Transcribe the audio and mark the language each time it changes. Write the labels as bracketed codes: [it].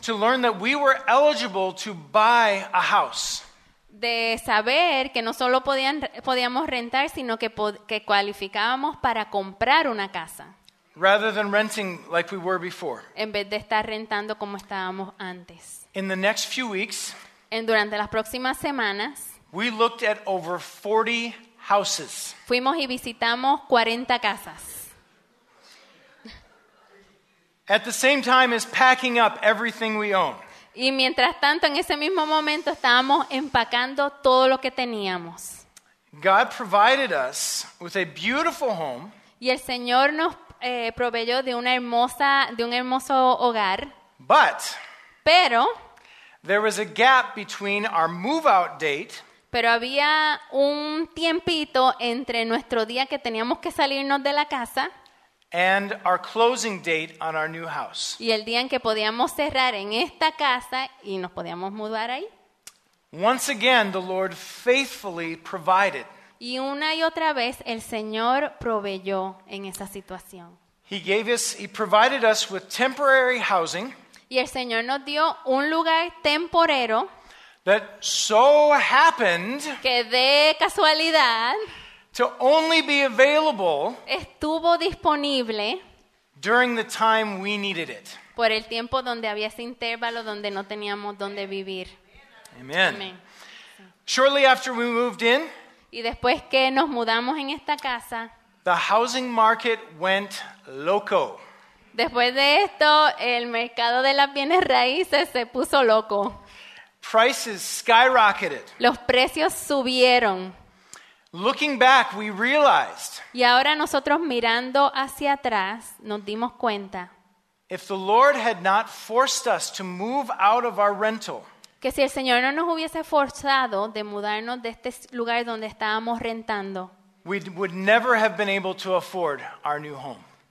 [en] To learn that we were eligible to buy a house. [es] De saber que no solo podíamos rentar, sino que cualificábamos para comprar una casa. [en] Rather than renting like we were before. [es] En vez de estar rentando como estábamos antes. [en] In the next few weeks. [es] Durante las próximas semanas. [en] We looked at over 40 houses. [es] Fuimos y visitamos 40 casas. [en] At the same time as packing up everything we own. [es] Y mientras tanto, en ese mismo momento, estábamos empacando todo lo que teníamos. [en] God provided us with a beautiful home. [es] Y el Señor nos proveyó de un hermoso hogar. [en] But. [es] Pero. [en] There was a gap between our move-out date. [es] Pero había un tiempito entre nuestro día que teníamos que salirnos de la casa. [en] And our closing date on our new house. [es] Y el día en que podíamos cerrar en esta casa y nos podíamos mudar ahí. [en] Once again, the Lord faithfully provided. [es] Y una y otra vez el Señor proveyó en esa situación. [en] He provided us with temporary housing. [es] Y el Señor nos dio un lugar temporero. [en] That so happened. [es] Que de casualidad. [en] To only be available. [es] Estuvo disponible. [en] During the time we needed it. [es] Por el tiempo donde había ese intervalo donde no teníamos donde vivir. [en] Amen. Amen. Shortly after we moved in. [es] Y después que nos mudamos en esta casa. [en] The housing market went loco. [es] Después de esto, el mercado de las bienes raíces se puso loco. [en] Prices skyrocketed. [es] Los precios subieron. [en] Looking back, we realized. [es] Y ahora nosotros mirando hacia atrás, nos dimos cuenta. [en] If the Lord had not forced us to move out of our rental. [es] Que si el Señor no nos hubiese forzado de mudarnos de este lugar donde estábamos rentando. [en] We would never have been able to afford our new home.